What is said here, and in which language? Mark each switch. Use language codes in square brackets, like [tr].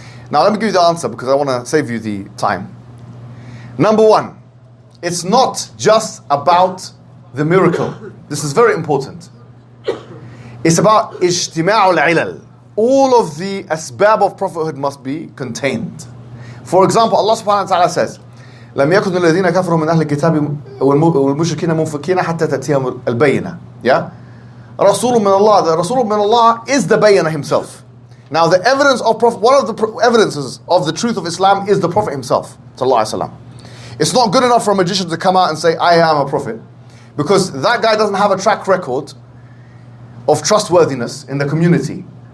[en] Now, let me give you the answer because I want to save you the time. Number one, it's not just about the miracle. This is very important. It's about ijtima'u al-ilal. All of the asbab of prophethood must be contained. For example, Allah subhanahu wa ta'ala says, [ar] لَمْ يَكُنُ الَّذِينَ كَفْرُوا مِنْ أَهْلِ الْكِتَابِ وَالْمُشْرِكِينَ مُنْفَكِينَ حَتَّى تَتِيَهُمُ الْبَيِّنَةِ [en] Yeah? Rasulun min Allah, the Rasulun min Allah is the Bayyinah himself. Now the evidence of Prophet, one of the evidences of the truth of Islam is the Prophet himself, sallallahu alayhi wa sallam. It's not good enough for a magician to come out and say, I am a prophet. Because that guy doesn't have a track record of trustworthiness in the community.